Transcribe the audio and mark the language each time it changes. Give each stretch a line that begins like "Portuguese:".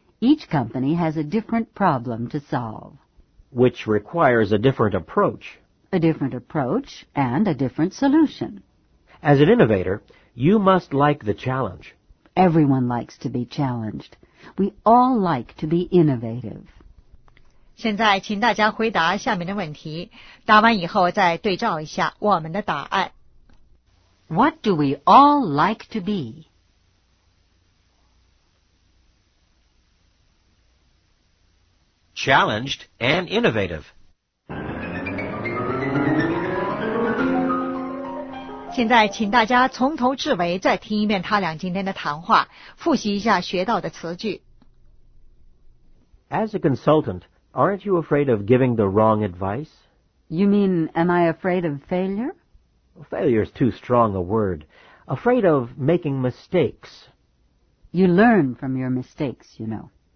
English: Each company has a different problem to solve. Which requires a different approach. A different approach and a different solution. As an innovator, you must like the challenge. Everyone likes to be challenged. We all like to be innovative.
Chinese: 现在请大家回答下面的问题，答完以后再对照一下我们的答案。
English: What do we all like to be? Challenged and innovative.
Chinese: 现在请大家从头至尾再听一遍他俩今天的谈话，复习一下学到的词句。
English: As a consultant, aren't you afraid of giving the wrong advice? You mean, am I afraid of failure? Failure is too strong a word. Afraid of making mistakes. You learn from your mistakes, you know.